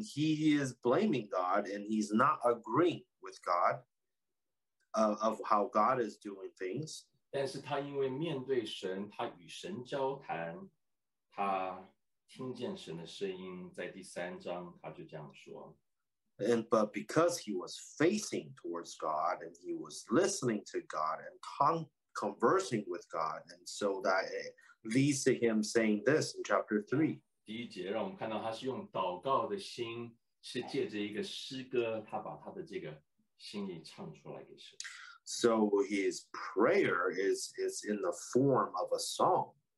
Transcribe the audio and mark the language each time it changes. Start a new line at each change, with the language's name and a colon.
English: he is blaming God and he's not agreeing with God of how God is doing things.
Chinese: 但是他因为面对神，他与神交谈。他听见神的声音，在第三章他就这样说。
English: And but because he was facing towards God and he was listening to God and conversing with God, and so that it leads to him saying this in chapter 3.
Chinese: 第一节让我们看到他是用祷告的心，是借着一个诗歌，他把他的这个心意唱出来给神。
English: So his prayer is in the form of a song.